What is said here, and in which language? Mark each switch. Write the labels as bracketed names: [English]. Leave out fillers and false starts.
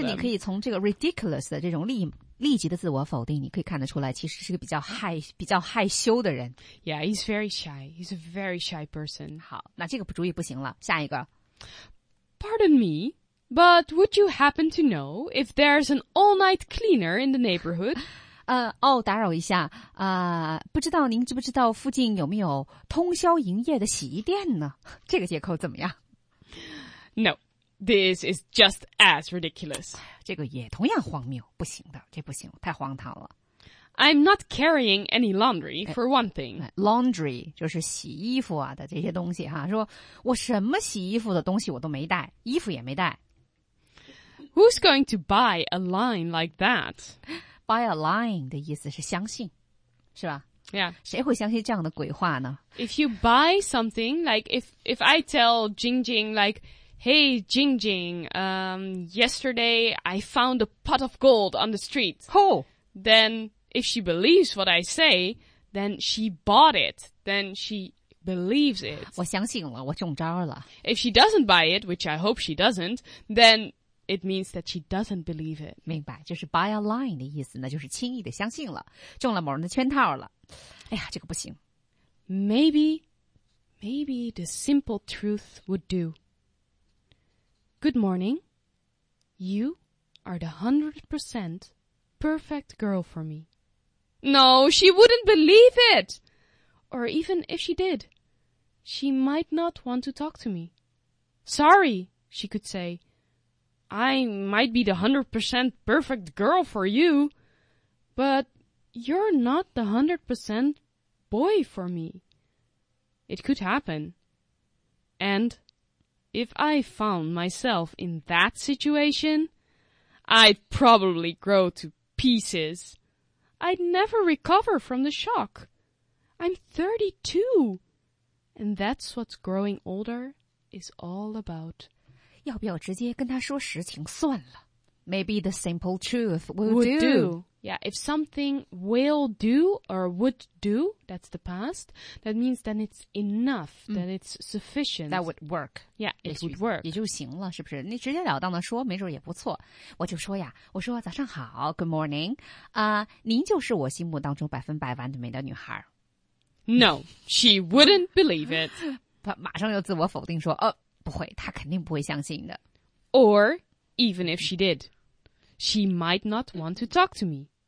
[Chinese] 但是你可以从这个 ridiculous 的这种立即的自我否定你可以看得出来其实是个比较害羞的人。 [English] Yeah, he's very shy. He's a very shy person. [Chinese] 好那这个主意不行了下一个。 [English] Pardon me, but would you happen to know if there's an all-night cleaner in the neighborhood? [Chinese] 打扰一下不知道您知不知道附近有没有通宵营业的洗衣店呢这个借口怎么样 [English] No, this is just as ridiculous. [Chinese] 这个也同样荒谬不行的这不行太荒唐了。 [English] I'm not carrying any laundry, for one thing. [Chinese] Laundry, 就是洗衣服啊的这些东西哈说我什么洗衣服的东西我都没带衣服也没带。 [English] Who's going to buy a line like that? Buy a line [Chinese] 的意思是相信，是吧 [English] ？Yeah， [Chinese] 谁会相信这样的鬼话呢 [English] ？If you buy something, like if I tell Jingjing, like, hey Jingjing, yesterday I found a pot of gold on the street. Oh, then if she believes what I say, then she bought it. Then she believes it. [Chinese] 我相信了，我中招了。 [English] If she doesn't buy it, which I hope she doesn't, then. It means that she doesn't believe it. [Chinese] 明白，就是 [English] buy a line [Chinese] 的意思呢，就是轻易的相信了，中了某人的圈套了。哎呀，这个不行。 [English] Maybe the simple truth would do. Good morning. You are the 100% perfect girl for me. No, she wouldn't believe it. Or even if she did, she might not want to talk to me. Sorry, she could say. I might be the 100% perfect girl for you, but you're not the 100% boy for me. It could happen. And if I found myself in that situation, I'd probably grow to pieces. I'd never recover from the shock. I'm 32, and that's what growing older is all about. [Chinese] 要不要直接跟他说实情算了 [English] Maybe the simple truth will do. Yeah, if something will do or would do, that's the past, that means then it's enough,、mm. then it's sufficient. That would work. Yeah, it would work. [Chinese] 也就行了是不是你直接了当的说没准也不错。我就说呀我说早上好 [English] good morning,、 [Chinese] 您就是我心目当中百分百完美的女孩。 [English] No, she wouldn't believe it. [Chinese] 她马上又自我否定说不会，他肯定不会相信的。 [English] Or even if she did, she might not want to talk to me.